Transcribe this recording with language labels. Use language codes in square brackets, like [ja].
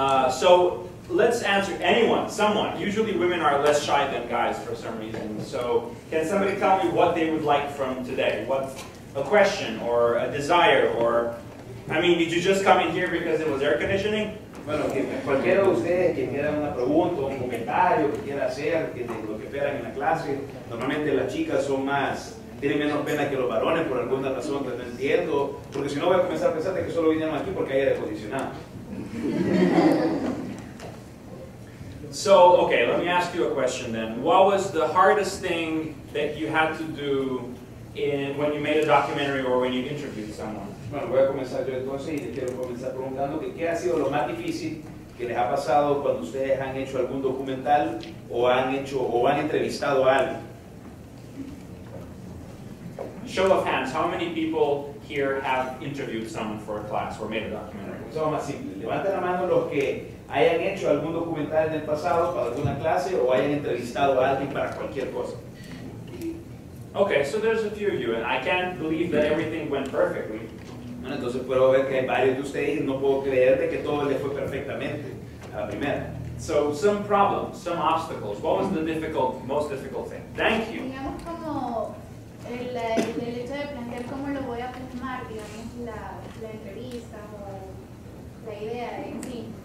[en] So let's answer anyone, someone. Usually women are less shy than guys for some reason. So can somebody tell me what they would like from today? What a question or a desire or, I mean, did you just come in here because it was air conditioning? [es] Bueno, cualquiera de ustedes que quiera una pregunta o un comentario que quiera hacer, que de lo que esperan en la clase, normalmente las chicas son más, tienen menos pena que los varones por alguna razón, que no entiendo, porque si no voy a comenzar a pensar que solo vinieron aquí porque hay aire acondicionado. [en] So, okay, let me ask you a question then. What was the hardest thing that you had to do when you made a documentary or when you interviewed someone? [es] Bueno, voy a comenzar yo entonces y les quiero comenzar preguntando que qué ha sido lo más difícil que les ha pasado cuando ustedes han hecho algún documental o han entrevistado a alguien. [en] Show of hands, how many people here have interviewed someone for a class or made a documentary? [es] Eso es más simple. Levanten la mano los que hayan hecho algún documental en el pasado para alguna clase o hayan entrevistado a alguien para cualquier cosa. [en] Okay, so there's a few of you, and I can't believe that everything went perfectly. [es] Bueno, entonces puedo ver que hay varios de ustedes y no puedo creer de que todo les fue perfectamente a la primera. [en] So, some problems, some obstacles. What was the difficult, most difficult thing? Thank you. [es] Digamos como el hecho de plantear cómo lo voy a filmar, digamos, la entrevista o la idea en sí.